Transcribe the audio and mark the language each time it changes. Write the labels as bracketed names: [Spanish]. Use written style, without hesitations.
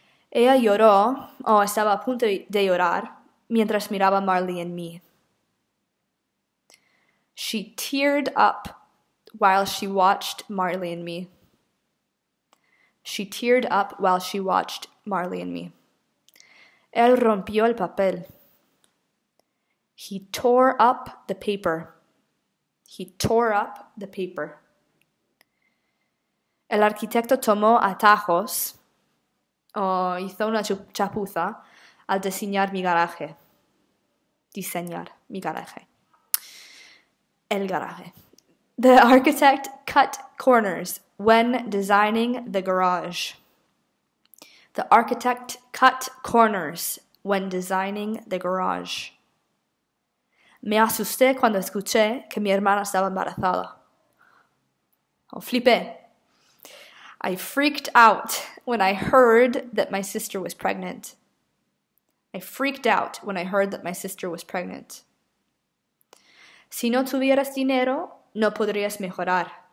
[Spanish] Ella lloró, o estaba a punto de llorar. Mientras miraba Marley and me. [English] She teared up while she watched Marley and me. She teared up while she watched Marley and me. [Spanish] Él rompió el papel. [English] He tore up the paper. He tore up the paper. [Spanish] El arquitecto tomó atajos, o hizo una chapuza al diseñar mi garaje. Diseñar mi garaje. El garaje. [English] The architect cut corners when designing the garage. The architect cut corners when designing the garage. [Spanish] Me asusté cuando escuché que mi hermana estaba embarazada. Oh, flipé. [English] I freaked out when I heard that my sister was pregnant. I freaked out when I heard that my sister was pregnant. [Spanish] Si no tuvieras dinero, no podrías mejorar.